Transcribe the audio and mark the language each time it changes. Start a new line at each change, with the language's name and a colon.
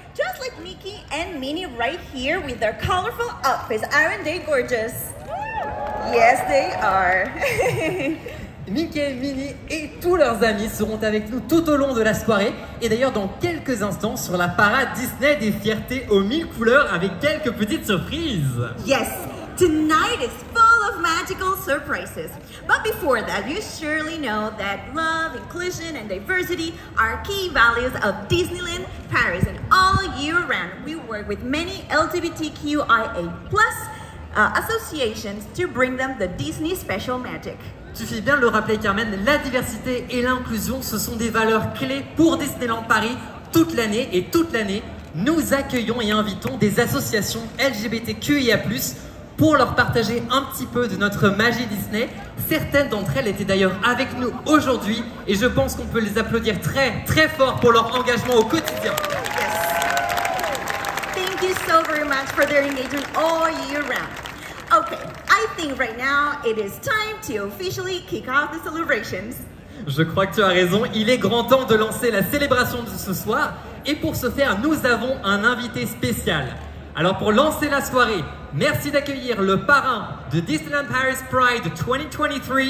English: Just like Mickey and Minnie right here with their colorful outfits. Aren't they gorgeous? Yes, they are.
French: Mickey, Minnie et tous leurs amis seront avec nous tout au long de la soirée et d'ailleurs dans quelques instants sur la parade Disney des fiertés aux mille couleurs avec quelques petites surprises.
English: Yes, tonight is full of magical surprises. But before that, you surely know that love, inclusion and diversity are key values of Disneyland Paris and all year round. We work with many LGBTQIA+ associations to bring them the Disney special magic.
French: Il suffit bien de le rappeler, Carmen, la diversité et l'inclusion, ce sont des valeurs clés pour Disneyland Paris toute l'année. Et toute l'année, nous accueillons et invitons des associations LGBTQIA+ pour leur partager un petit peu de notre magie Disney. Certaines d'entre elles étaient d'ailleurs avec nous aujourd'hui et je pense qu'on peut les applaudir très, très fort pour leur engagement au quotidien.
English: Yes. Thank you so very much for their engagement all year round. Okay, I think right now it is time to officially kick off the celebrations.
French: Je crois que tu as raison, il est grand temps de lancer la célébration de ce soir. Et pour ce faire, nous avons un invité spécial. Alors pour lancer la soirée, merci d'accueillir le parrain de Disneyland Paris Pride 2023.